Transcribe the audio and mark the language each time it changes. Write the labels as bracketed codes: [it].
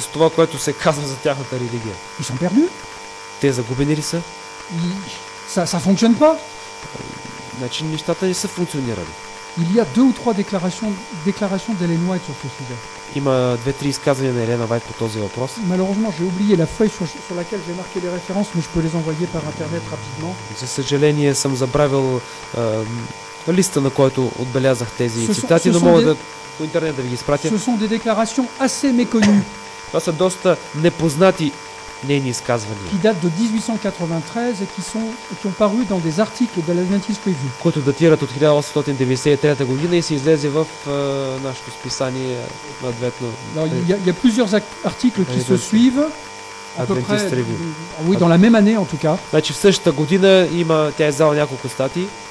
[bg] С това, което се казва за тяхната религия. [fr] Ils sont perdus. [bg] Те загубени ли са? [fr] Ça fonctionne pas. [bg] Значи нещата не са функционирали. [fr] Il y a deux ou trois déclarations d'Ellen White sur ce sujet. [bg] Има две-три изказвания на Елена Вайт по този въпрос. [fr] Malheureusement, j'ai oublié la feuille sur laquelle j'ai marqué les références, mais je peux les envoyer par internet rapidement. [bg] За съжаление, съм забравил листа, на който отбелязах тези цитати, но мога да по интернет да ви ги изпратя. [fr] Ce sont des déclarations assez méconnues. [bg] Това са доста непознати нейни изказвания. [fr] Qui datent de 1893 et qui ont paru dans des articles de l'Adventist Review. [bg] Които датират от 1893 година и се излезе в нашето списание на адвентно. [fr] Il y a plusieurs articles qui se suivent. Adventist Review. Oui, dans la même année en tout cas. [bg] Значи в същата година има тя издала няколко статии.